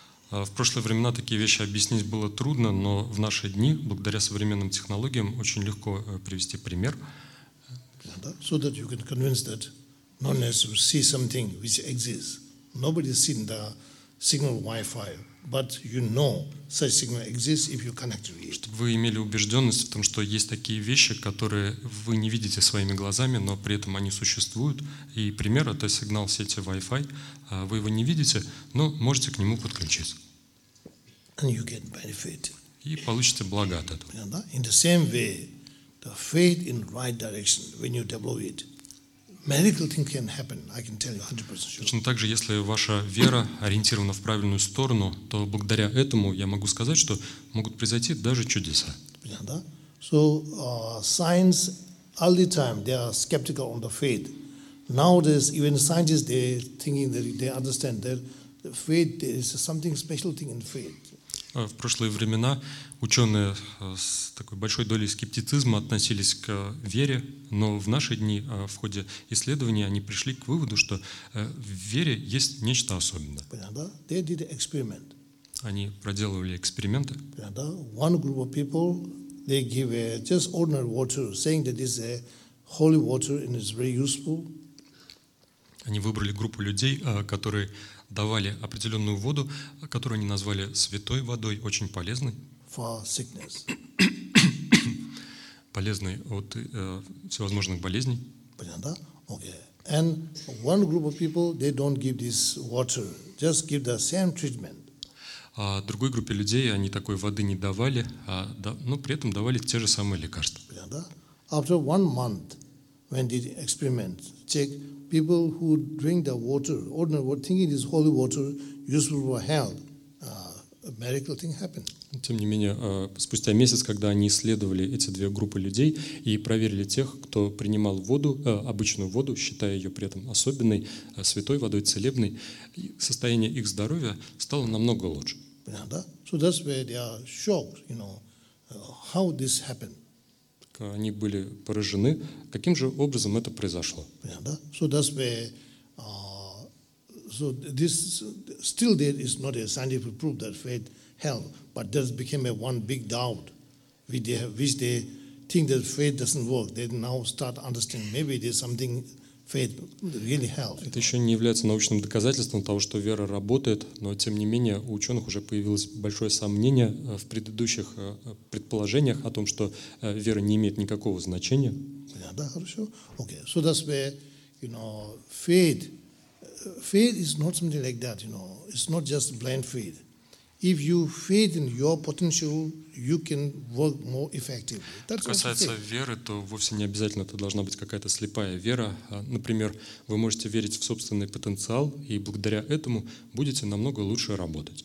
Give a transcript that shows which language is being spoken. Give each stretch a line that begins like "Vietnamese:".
Russian: В прошлые времена такие вещи объяснить было трудно, но в наши дни, благодаря современным технологиям, очень легко привести пример.
English: So that you can convince that not necessarily see something which exists. Nobody's seen the signal Wi-Fi, but you know such signal exists if you connect to it.
Russian: Чтобы вы имели убежденность в том, что есть такие вещи, которые вы не видите своими глазами, но при этом они существуют. И пример – это сигнал сети Wi-Fi. Вы его не видите, но можете к нему подключиться.
English: And you get benefit.
Russian: И получите благо от этого.
English: In the same way, the faith in right direction, when you develop it, medical thing can happen, I can tell you 100% sure.
Russian: Точно так же, если ваша вера ориентирована в правильную сторону, то благодаря этому я могу сказать, что могут произойти даже чудеса. Понятно?
English: So, science, all the time, they are skeptical on the faith. Nowadays, even scientists, they thinking that they understand that the faith there is something special thing in faith.
Russian: В прошлые времена ученые с такой большой долей скептицизма относились к вере, но в наши дни в ходе исследований они пришли к выводу, что в вере есть нечто особенное. Понятно?
English: They did an experiment.
Russian: Они проделывали эксперименты. Понятно?
English: One group of people, they give just ordinary water, saying that this is a holy water and it's very useful.
Russian: Они выбрали группу людей, которые давали определенную воду, которую они назвали святой водой, очень полезной.
English: For sickness.
Russian: Полезной от всевозможных болезней. Понятно? Okay.
English: And one group of people, they don't give this water, just give the same treatment.
Russian: А другой группе людей они такой воды не давали, но при этом давали те же самые лекарства.
English: Yeah,
Russian: да?
English: After one month, when they experiment, check people who drink the water, ordinary water, thinking it is holy water, useful for health, a miracle thing happened.
Russian: Тем не менее, спустя месяц, когда они исследовали эти две группы людей и проверили тех, кто принимал воду, обычную воду, считая ее при этом особенной, святой водой, целебной, состояние их здоровья стало намного лучше.
English: So that's where they are shocked, you know, how this happened.
Russian: Они были поражены, каким же образом это произошло.
English: So that's where, so this, still there is not a scientific proof that faith helped. But that became a one big doubt, which they think that faith doesn't work. They now start understanding maybe there's something faith really helps.
Russian: Это еще не является научным доказательством того, что вера работает, но тем не менее у ученых уже появилось большое сомнение в предыдущих предположениях о том, что вера не имеет никакого значения.
English: Yeah,
Russian: да, хорошо.
English: Okay, so that's where, you know, faith is not something like that. You know, it's not just blind faith. If you faith in your potential, you can work more effectively. That's
Russian: что касается веры, то вовсе не обязательно это должна быть какая-то слепая вера. Например, вы можете верить в собственный потенциал, и благодаря этому будете намного лучше работать.